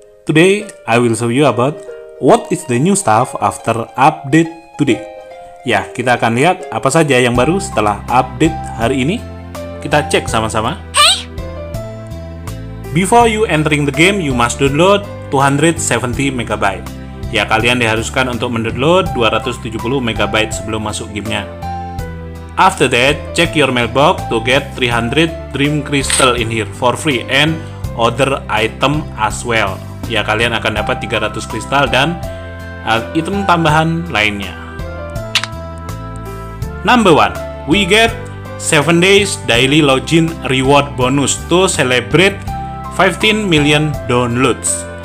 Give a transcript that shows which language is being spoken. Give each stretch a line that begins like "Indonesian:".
English: Today, I will show you about what is the new stuff after update today.
Indonesian: Ya, kita akan lihat apa saja yang baru setelah update hari ini. Kita cek sama-sama.
English: Before you entering the game, you must download 270 MB.
Indonesian: Ya, kalian diharuskan untuk mendownload 270 MB sebelum masuk gamenya.
English: After that, check your mailbox to get 300 Dream Crystal in here for free and other item as well.
Indonesian: Ya, kalian akan dapat 300 kristal dan item tambahan lainnya.
English: Number 1, we get 7 days daily login reward bonus to celebrate 15 million downloads.